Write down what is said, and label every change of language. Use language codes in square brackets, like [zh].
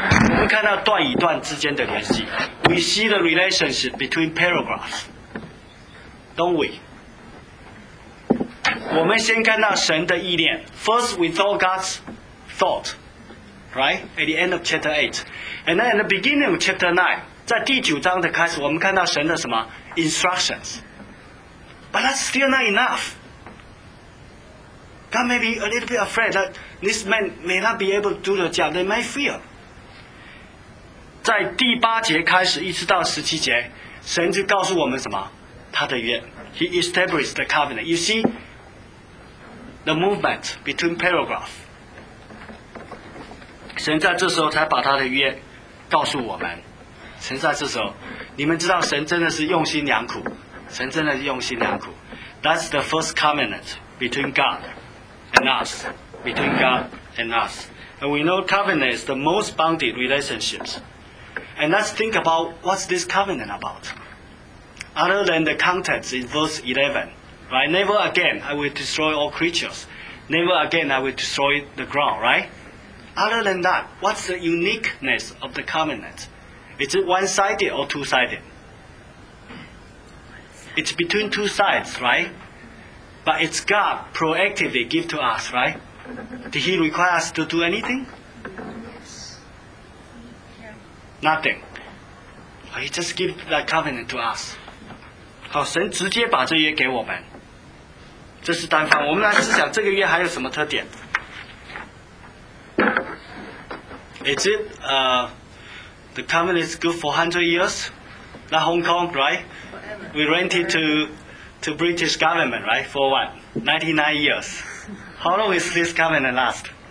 [zh] 我们看到段与段之间的联系。 [en] We see the relationship between paragraphs, don't we? [zh] 我们先看到神的意念。 [en] First, we thought God's thought, right? At the end of chapter 8. And then at the beginning of chapter 9, [zh] 在第九章的开始，我们看到神的什么 [en] ?instructions. But that's still not enough. God may be a little bit afraid that this man may not be able to do the job. They might fear. [zh] 在第八节开始一直到十七节，神就告诉我们什么？他的约。 [en] He established the covenant. You see the movement between paragraphs. [zh] 神在这时候才把他的约告诉我们。神在这时候，你们知道神真的是用心良苦。神真的用心良苦。 [en] That's the first covenant between God and us, between God and us. And we know covenant is the most bounded relationships. And let's think about what's this covenant about. Other than the context in verse 11, right? Never again I will destroy all creatures. Never again I will destroy the ground, right? Other than that, what's the uniqueness of the covenant? Is it one-sided or two-sided? It's between two sides, right? But it's God proactively give to us, right? Did he require us to do anything? Yes. Nothing. He just give that covenant to us. [zh] 好，神直接把这约给我们，这是单方。我们来思想这个约还有什么特点？ [en] Is it the covenant is good for 100 years? Not Hong Kong, right? We rented to British government, right? For what? 99 years. How long is this covenant last?